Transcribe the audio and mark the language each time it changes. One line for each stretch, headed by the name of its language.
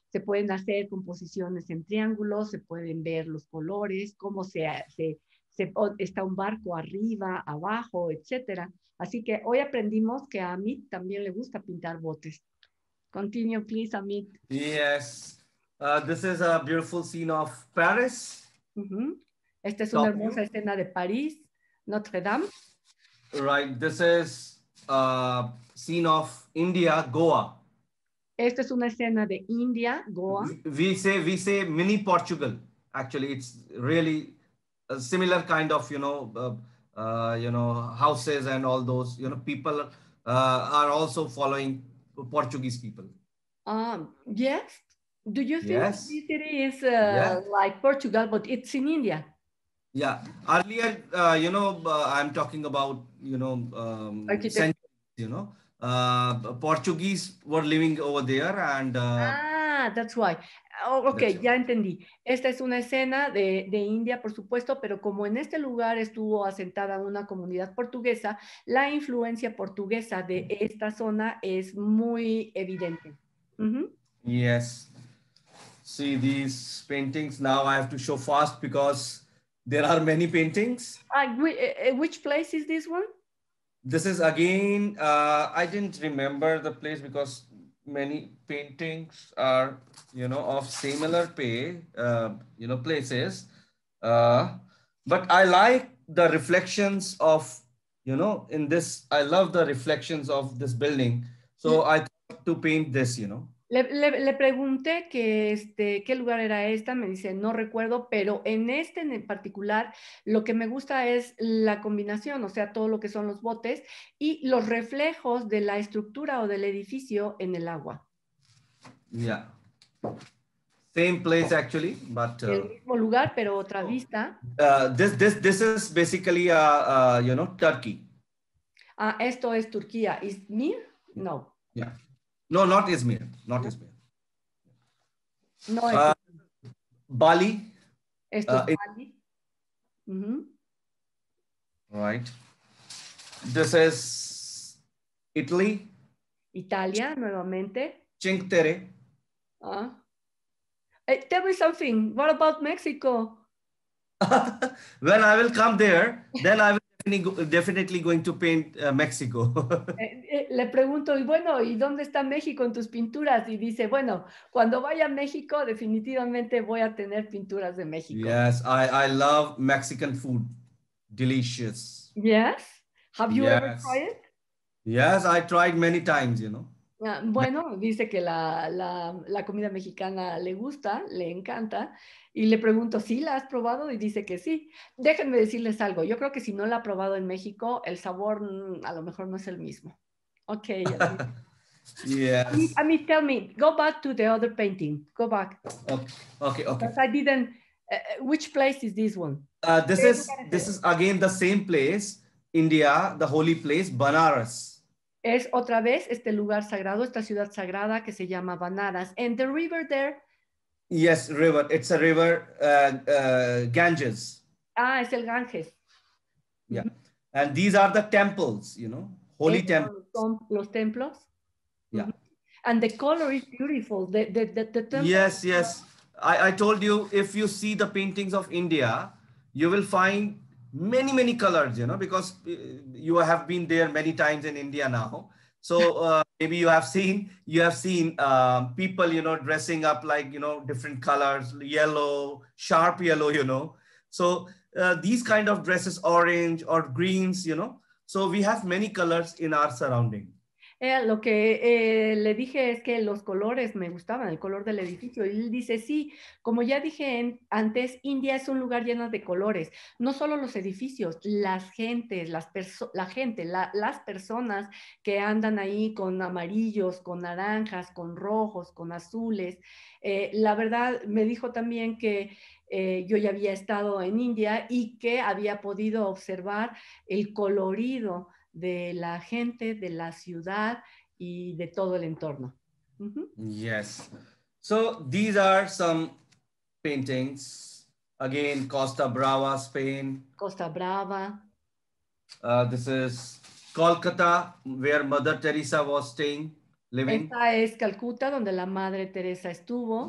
Spanish: Se pueden hacer composiciones en triángulos, se pueden ver los colores, cómo se hace, se, está un barco arriba, abajo, etc. Así que hoy aprendimos que a Amit también le gusta pintar botes.
English: Continue, please, Amit. Yes. This is a beautiful scene of Paris. Mm-hmm.
Spanish: Esta es una hermosa escena de París, Notre Dame.
English: Right, this is a scene of India, Goa.
Spanish: Esta es una escena de India, Goa.
English: We say mini Portugal. Actually, it's really a similar kind of, you know, houses and all those, you know, people are also following Portuguese people. Yes. Do you think yes. The city is yes. Like Portugal, but it's in India? Yeah. Earlier, you know, I'm talking about, you know, centuries, you know, Portuguese were living over there and... That's why. Oh, okay,
Spanish: ya entendí. Esta es una escena de India, por supuesto, pero como en este lugar estuvo asentada una comunidad portuguesa, la influencia portuguesa de esta zona es muy evidente.
English: Mm-hmm. Yes. See these paintings. Now I have to show fast because there are many paintings. Which place is this one? This is again, I didn't remember the place because many paintings are, you know, of similar pay, you know, places. But I like the reflections of, you know, in this, I love the reflections of this building. So I thought to paint this, you know.
Spanish: Le pregunté que qué lugar era esta, me dice, no recuerdo, pero en este en particular lo que me gusta es la combinación, o sea, todo lo que son los botes y los reflejos de la estructura o del edificio en el agua.
English: Yeah. Same place actually, but
Spanish: el mismo lugar, pero otra vista.
English: This is basically you know, Turkey.
Spanish: Ah, esto es Turquía. ¿Izmir? No.
English: Yeah. No, not Izmir. Not Izmir. No, Bali.
Spanish: Esto es Bali. Mm-hmm.
English: Right. This is Italy.
Spanish: Italia, nuevamente. Cinque Terre.
English: Hey, tell me something. What about Mexico? When I will come there, then I will. Definitely going to paint Mexico. Le pregunto, y bueno, ¿y dónde está México en tus pinturas? Y dice, bueno, cuando vaya a México, definitivamente voy a tener pinturas de México. Yes, I love Mexican food. Delicious. Yes? Have you ever tried it? Yes, I tried many times, you know.
Spanish: Bueno, dice que la comida mexicana le gusta, le encanta. Y le pregunto, ¿sí la has probado? Y dice que sí. Déjenme decirles algo. Yo creo que si no la ha probado en México, el sabor a lo mejor no es el mismo.
English: Ok. Yes. I mean, tell me, go back to the other painting. Go back. Okay. Because I didn't, which place is this one? This is again the same place, India, the holy place, Banaras.
Spanish: Es otra vez este lugar sagrado, esta ciudad sagrada que se llama Banaras.
English: And the river there. Yes, river. It's a river, Ganges.
Spanish: Ah, es el Ganges.
English: Yeah. Mm-hmm. And these are the temples, you know, holy temples.
Spanish: Son los templos.
English: Yeah. Mm-hmm. And the color is beautiful. The temples. Yes, yes. I told you, if you see the paintings of India, you will find many, many colors, you know, because you have been there many times in India now. So maybe you have seen people, you know, dressing up like, you know, different colors, yellow, sharp yellow, you know. So these kind of dresses, orange or greens, you know. So we have many colors in our surrounding.
Spanish: Lo que le dije es que los colores me gustaban, el color del edificio. Y él dice, sí, como ya dije antes, India es un lugar lleno de colores. No solo los edificios, las personas que andan ahí con amarillos, con naranjas, con rojos, con azules. La verdad, me dijo también que yo ya había estado en India y que había podido observar el colorido de la gente, de la ciudad y de todo el entorno.
English: Mm-hmm. Yes. So these are some paintings. Again, Costa Brava, Spain. Costa Brava. This is Calcutta, where Mother Teresa was staying, living.
Spanish: Esta es Calcuta, donde la Madre Teresa estuvo.